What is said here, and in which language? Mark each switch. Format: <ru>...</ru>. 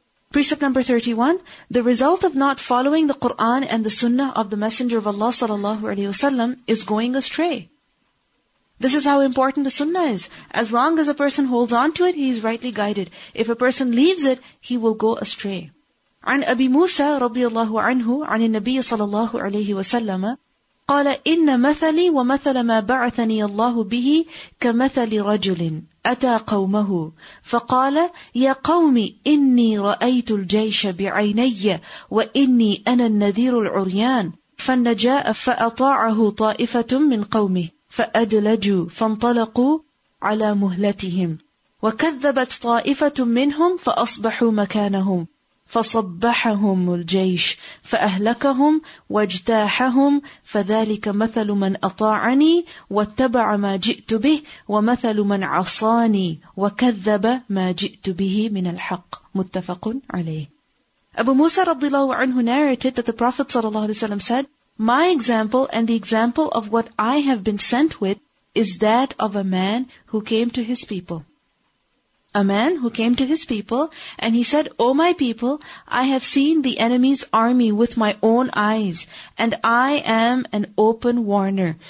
<en>Precept number 31, the result of not following the Qur'an and the sunnah of the Messenger of Allah ﷺ is going astray. This is how important the sunnah is. As long as a person holds on to it, he is rightly guided. If a person leaves it, he will go astray.</en> <ar>عن أبي موسى رضي الله عنه عن النبي صلى الله عليه وسلم قال إن مثلي ومثل ما بعثني الله به كمثل رجل أتى قومه فقال يا قوم إني رأيت الجيش بعيني وإني أنا النذير العريان فالنجاء فأطاعه طائفة من قومه فأدلجوا فانطلقوا على مهلتهم وكذبت طائفة منهم فأصبحوا مكانهم فصبحهم الجيش فأهلكهم واجتاحهم فذلك مثل من أطاعني واتبع ما جئت به ومثل من عصاني وكذب ما جئت به من الحق متفق عليه.</ar> <en>Abu Musa</en> <ar>رضي الله عنه</ar> <en>narrated that the Prophet</en> <ar>صلى الله عليه وسلم</ar> <en>said, my example and the example of what I have been sent with is that of a man who came to his people. A man who came to his people and he said, O my people, I have seen the enemy's army with my own eyes and I am an open warner.</en>